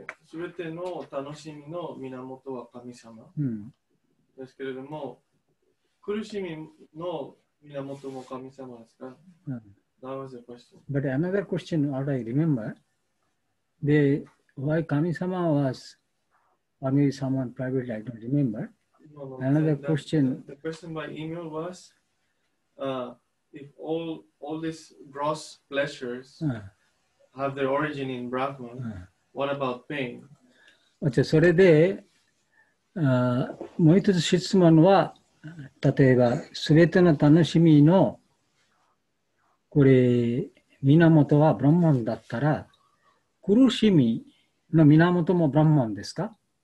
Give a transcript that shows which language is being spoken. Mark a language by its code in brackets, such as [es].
[ja] すべての楽しみの源は神様ですけれども、うん、苦しみの源も神様ですか、うん、 [en] That was the question. But another question that I remember, why 神様 was, or maybe someone privately, I don't remember. The question by email was,if all these gross pleasures、have their origin in Brahman,What about pain? [ja] じゃあそれで、もう一つ質問は、例えば、すべての楽しみの、これ、源はブラッマンだったら、苦しみの源もブラッマンですか？